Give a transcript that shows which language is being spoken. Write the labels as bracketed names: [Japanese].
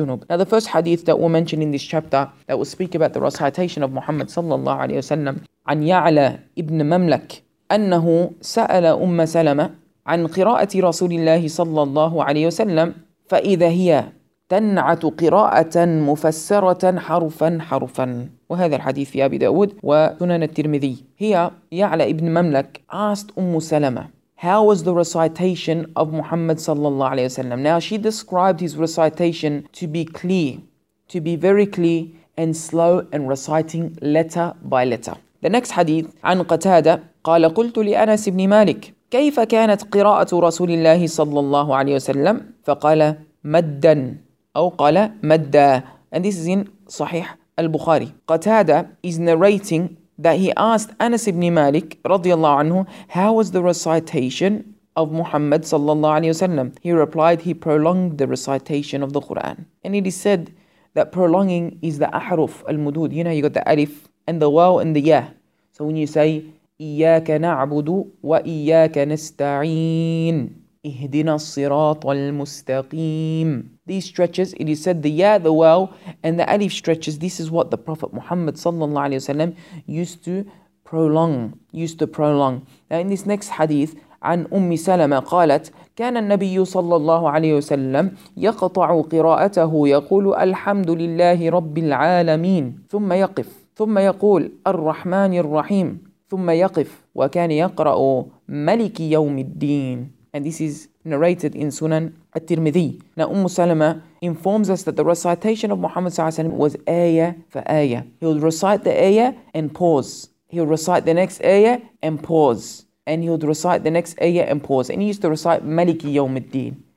[English] Now, the first hadith that we'll mention in this chapter that will speak about the recitation of Muhammad sallallahu alaihi wasallam, an Ya'la ibn Mamlak, [Arabic] أنه سأل أم سلمة عن قراءة رسول الله صلى الله عليه وسلم فإذا هي تنعت قراءة مفسرة حرفا حرفا. وهذا الحديث في أبي داود وسنن الترمذي. هي يعلى ابن مملك [English] asked [Arabic] أم سلمة, [English] how was the recitation of Muhammad [Arabic] صلى الله عليه وسلم. [English] Now she described his recitation to be clear, to be very clear and slow, and reciting letter by letter. The next hadith, [Arabic] عن قتادة قال قلت لأنس بن مالك كيف كانت قراءة رسول الله صلى الله عليه وسلم فقال مدا أو قال مدا. [English] And this is in صحيح البخاري. قتادة is narrating that he asked أنس بن مالك [Arabic] رضي الله عنه, [English] how was the recitation of Muhammad [Arabic] صلى الله عليه وسلم. [English] He replied, he prolonged the recitation of the Quran. And it is said that prolonging is the أحرف المدود. You know, you got the ألف and the واو and the ياء. So when you say [Arabic] إياك نعبد وإياك نستعين إهدنا الصراط المستقيم, [English] these stretches, it is said the ya, the waw, and the alif stretches. This is what the Prophet Muhammad sallallahu alayhi wa sallam used to prolong. Now in this next hadith, [Arabic] عن أم سلمة قالت كان النبي صلى الله عليه وسلم يقطع قراءته يقول الحمد لله رب العالمين ثم يقف ثم يقول الرحمن الرحيم ثم يقف وكان يقرأ ملك يوم الدين. [English] And this is narrated in Sunan al-Tirmidhi. Now Umm Salama informs us that the recitation of Muhammad sallallahu alayhi wa sallam was ayah for ayah. He would recite the ayah and pause. He would recite the next ayah and pause. And he would recite the next ayah and pause. And he used to recite Maliki Yawm al-Din.